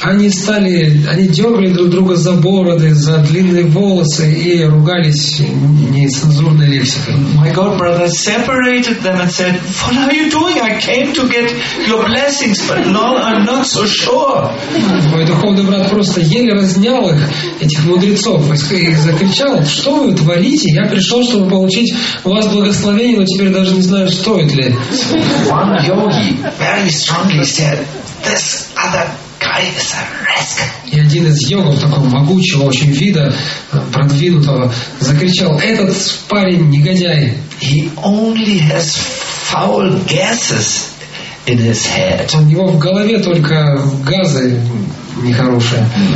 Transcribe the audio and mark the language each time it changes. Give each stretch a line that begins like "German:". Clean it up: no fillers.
Russian: Они дергали друг друга за бороды, за длинные волосы и ругались нецензурной лексикой.
English: My god brother separated them and said, "What are you doing? I came to get your blessings, but now I'm not so sure."
Russian: Мой духовный брат просто еле разнял их, этих мудрецов, и закричал: "Что вы творите? Я пришел, чтобы получить у вас благословение, но теперь даже не знаю, стоит ли."
English: One yogi very strongly said, "This other guy is a rascal."
Russian: И один из йогов, такого могучего, очень вида, продвинутого, закричал: "Этот парень негодяй."
English: He only has foul gases in his head.
Russian: У него в голове только газы нехорошие.